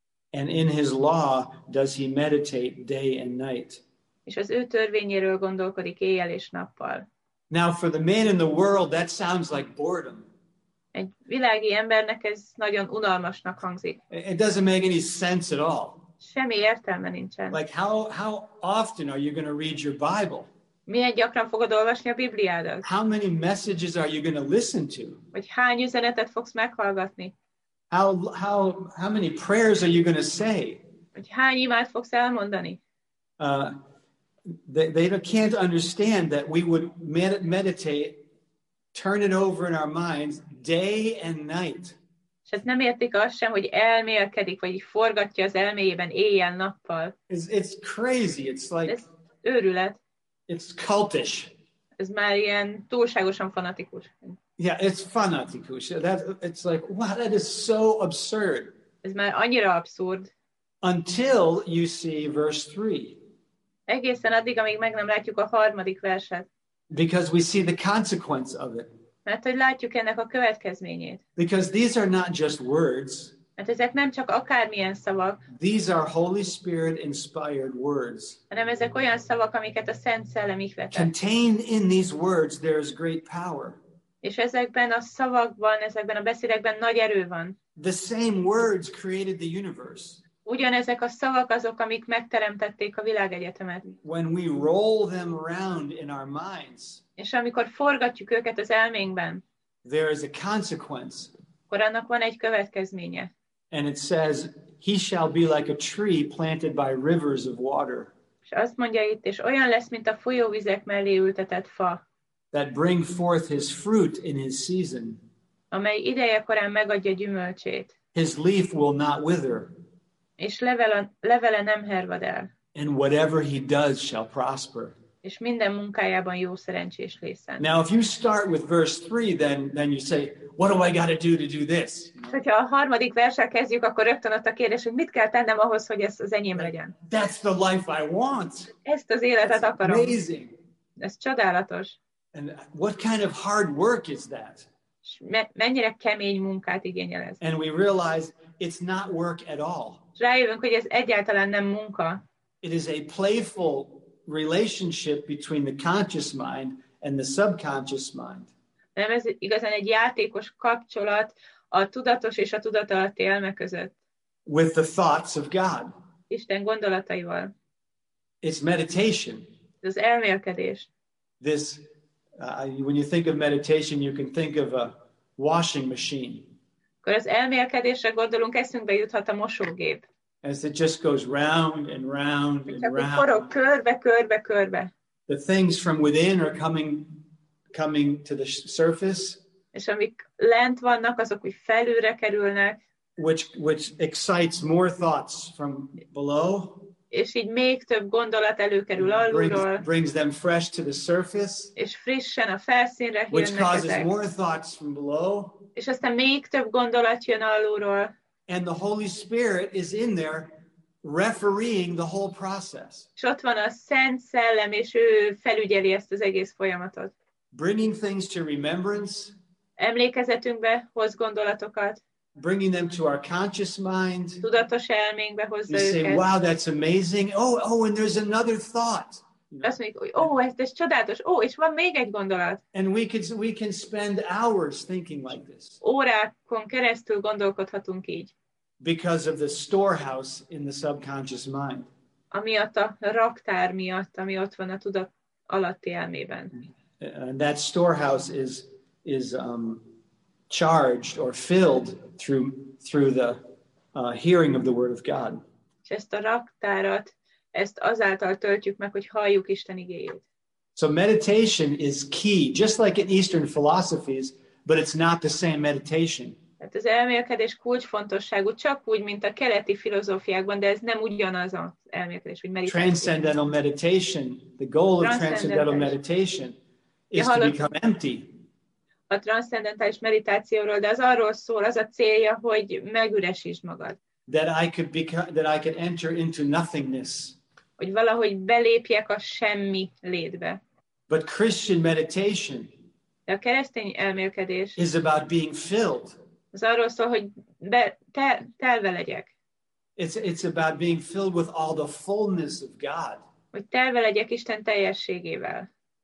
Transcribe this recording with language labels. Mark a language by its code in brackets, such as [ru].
[en] And in his law does he meditate day and night. [hu] És az ő törvényéről gondolkodik éjjel és nappal. [en] Now for the man in the world, that sounds like boredom. [hu] Egy világi embernek ez nagyon unalmasnak hangzik. [en] It doesn't make any sense at all. [hu] Semmi értelme nincsen. [en] Like how often are you going to read your Bible? [hu] Milyen gyakran fogod olvasni a Bibliádat? [en] How many messages are you going to listen to? [hu] Vagy hány üzenetet fogsz meghallgatni? [en] How many prayers are you going to say? [hu] Vagy hány imád fogsz elmondani? [en] They can't understand that we would meditate, turn it over in our minds day and night. [hu] És ezt nem értik azt sem, hogy elmélkedik, vagy forgatja az elméjében éjjel-nappal. [en] It's crazy. It's like... [hu] Ez őrület. [en] It's cultish. [hu] Ez már ilyen túlságosan fanatikus. [en] Yeah, it's fanatikus. It's like, wow, that is so absurd. [hu] Ez már annyira abszurd. [en] Until you see verse 3. [hu] Egészen addig, amíg meg nem látjuk a harmadik verset. [en] Because we see the consequence of it. [hu] Mert hogy látjuk ennek a következményét. [en] Because these are not just words. [hu] Mert ezek nem csak akármilyen szavak. [en] These are Holy Spirit inspired words. [hu] Hanem ezek olyan szavak, amiket a Szent Szellem ihletett. [en] Contained in these words there is great power. [hu] És ezekben a szavakban, ezekben a beszédekben nagy erő van. [en] The same words created the universe. [hu] Ugyanezek a szavak azok, amik megteremtették a világegyetemet. [en] When we roll them around in our minds. [hu] És amikor forgatjuk őket az elménkben. [en] There is a consequence. [hu] Akkor annak van egy következménye. [en] And it says, he shall be like a tree planted by rivers of water. [hu] És azt mondja itt, és olyan lesz, mint a folyóvizek mellé ültetett fa. [en] That bring forth his fruit in his season. [hu] Amely ideje korán megadja gyümölcsét. [en] His leaf will not wither. [hu] És levele nem hervad el. [en] And whatever he does shall prosper. [hu] És minden munkájában jó szerencsés lészen. [en] Now if you start with verse 3, then you say, what do I got to do this? [hu] Hogyha a harmadik verssel kezdjük, akkor rögtön ott a kérdés, hogy mit kell tennem ahhoz, hogy ez az enyém legyen. [en] That's the life I want. [hu] Ezt az életet akarom. [en] Amazing. [hu] Ez csodálatos. [en] And what kind of hard work is that? [hu] Mennyire kemény munkát igényel ez? [en] And we realize it's not work at all. [hu] Rájövünk, hogy ez egyáltalán nem munka. [en] It is a playful relationship between the conscious mind and the subconscious mind. [hu] Nem, ez igazán egy játékos kapcsolat a tudatos és a tudatalatti elme között. [en] With the thoughts of God. [hu] Isten gondolataival. [en] It's meditation. [hu] Ez az elmélkedés. [en] This, when you think of meditation, you can think of a washing machine. [hu] Akkor az elmélkedésre gondolunk, eszünkbe juthat a mosógép. [en] As it just goes round and round and round. [hu] Forog, körbe, körbe, körbe. [en] The things from within are coming to the surface. [hu] És amik lent vannak, azok úgy felülre kerülnek. [en] Which excites more thoughts from below. [hu] És így még több gondolat előkerül alulról. [en] Brings them fresh to the surface. [hu] És frissen a felszínre jönnek. [en] Which causes more thoughts from below. [hu] És aztán még több gondolat jön alulról. [en] And the Holy Spirit is in there refereeing the whole process. [hu] És ott van a Szent Szellem, és ő felügyeli ezt az egész folyamatot. [en] Bringing things to remembrance. [hu] Emlékezetünkbe hoz gondolatokat. [en] Bringing them to our conscious mind. [hu] Tudatos elménkbe hozza őket. [en] You say, wow, that's amazing. Oh, and there's another thought. [hu] Azt mondjuk, ez csodálatos. Oh, és van még egy gondolat. [en] And we can spend hours thinking like this. [hu] Órákon keresztül gondolkodhatunk így. [en] Because of the storehouse in the subconscious mind. [hu] Amiatt a raktár miatt, ami ott van a tudat alatti elmében. [en] And that storehouse is charged or filled through the hearing of the word of God. [hu] És ezt a raktárat, ezt azáltal töltjük meg, hogy halljuk Isten igéjét. [en] So meditation is key, just like in Eastern philosophies, but it's not the same meditation. [hu] Hát az elmélkedés kulcsfontosságú, csak úgy, mint a keleti filozófiákban, de ez nem ugyanaz az elmélkedés, hogy meditáció. [en] Transcendental meditation, the goal of transcendental meditation is to become empty. [hu] A transzcendentális meditációról, de az arról szól, az a célja, hogy megüresítsd magad. [en] That I could enter into nothingness. [hu] Hogy valahogy belépjek a semmi létbe. [en] But Christian meditation. [hu] De a keresztény elmélkedés. [en] Is about being filled. [hu] Az arról szól, hogy telve legyek. [en] It's about being filled with all the fullness of God. [hu] Hogy telve legyek Isten teljességével.